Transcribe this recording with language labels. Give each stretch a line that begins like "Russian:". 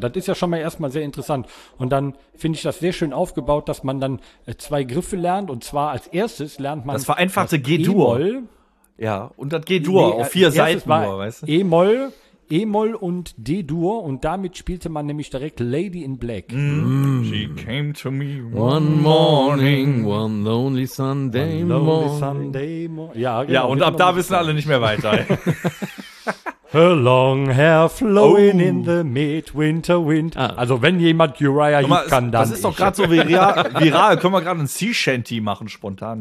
German: Das ist ja schon mal erstmal sehr interessant. Und dann finde ich das sehr schön aufgebaut, dass man dann zwei Griffe lernt. Und zwar als erstes lernt man das vereinfachte G-Dur. E-Moll. Ja, und das G-Dur auf vier Saiten. War nur, weißt du? E-Moll, E-Moll und D-Dur. Und damit spielte man nämlich direkt Lady in Black.
English: She came to me one morning, one lonely Sunday morning. Lonely Sunday morning.
German: Ja, genau, ja, und ab da wissen alle nicht mehr weiter.
English: Her long hair flowing in the midwinter wind.
German: Ah. Also wenn jemand Uriah Heep kann, dann das ist doch gerade so viral. Können wir gerade ein Sea Shanty machen, spontan?